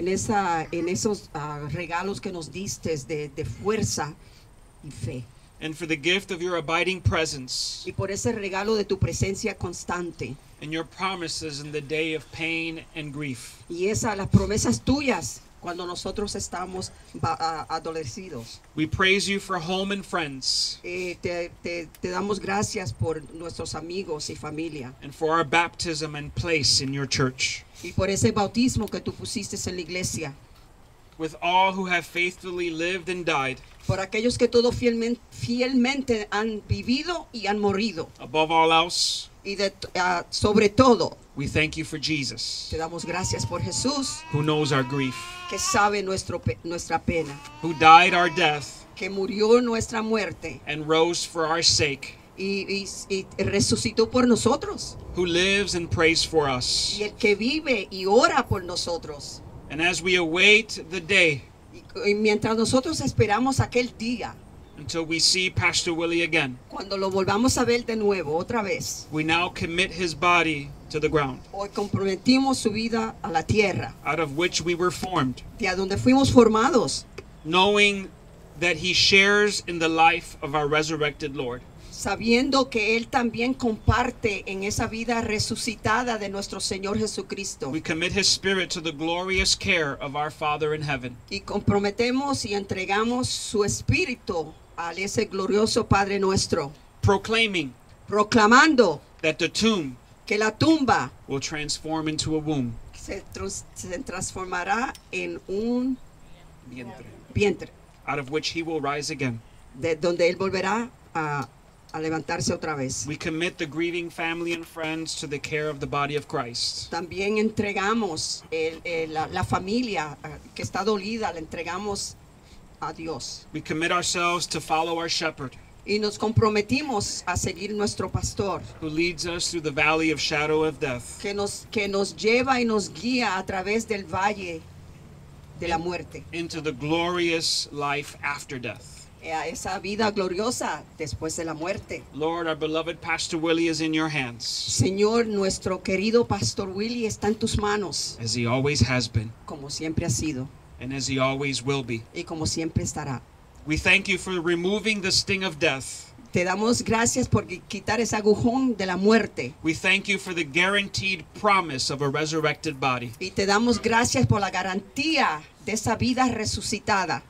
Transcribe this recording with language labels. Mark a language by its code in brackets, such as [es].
[es] En esos regalos que nos diste de fuerza y fe. [en] And for the gift of your abiding presence. [es] Y por ese regalo de tu presencia constante. [en] And your promises in the day of pain and grief. [es] Y esas las promesas tuyas cuando nosotros estamos adolecidos. [en] We praise you for home and friends. [es] Te damos gracias por nuestros amigos y familia. [en] And for our baptism and place in your church. [es] Y por ese bautismo que tú pusiste en la iglesia. [en] With all who have faithfully lived and died. [es] Por aquellos que todo fielmente han vivido y han morido. [en] Above all else. [es] Y sobre todo. [en] We thank you for Jesus. [es] Te damos gracias por Jesús. [en] Who knows our grief. [es] Que sabe nuestra pena. [en] Who died our death. [es] Que murió nuestra muerte. [en] And rose for our sake. [es] Y resucitó por nosotros. [en] Who lives and prays for us. [es] Y el que vive y ora por nosotros. [en] And as we await the day. [es] Y mientras nosotros esperamos aquel día. [en] until we see Pastor Willie again. [es] Cuando lo volvamos a ver de nuevo, otra vez. [en] We now commit his body to the ground. [es] Hoy comprometimos su vida a la tierra. [en] Out of which we were formed. [es] De a donde fuimos formados. [en] Knowing that he shares in the life of our resurrected Lord. [es] Sabiendo que él también comparte en esa vida resucitada de nuestro Señor Jesucristo. [en] We commit his spirit to the glorious care of our Father in heaven. [es] Y comprometemos y entregamos su espíritu al ese glorioso Padre nuestro. [en] Proclaiming. [es] Proclamando. [en] That the tomb. [es] Que la tumba. [en] Will transform into a womb. [es] Se transformará en un vientre. Vientre. [en] Out of which he will rise again. [es] De donde él volverá a levantarse otra vez. [en] We commit the grieving family and friends to the care of the body of Christ. [es] También entregamos la familia que está dolida, la entregamos a Dios. [en] We commit ourselves to follow our shepherd. [es] Y nos comprometimos a seguir nuestro pastor. [en] Who leads us through the valley of shadow of death. [es] Que nos lleva y nos guía a través del valle de la muerte. [en] Into the glorious life after death. [es] Esa vida gloriosa después de la muerte. [en] Lord, our beloved Pastor Willie is in your hands. [es] Señor, nuestro querido Pastor Willie está en tus manos. [en] As he always has been. [es] Como siempre ha sido. [en] And as he always will be. [es] Y como siempre estará. [en] We thank you for removing the sting of death. [es] Te damos gracias por quitar ese agujón de la muerte. [en] We thank you for the guaranteed promise of a resurrected body. [es] Y te damos gracias por la garantía de esa vida resucitada.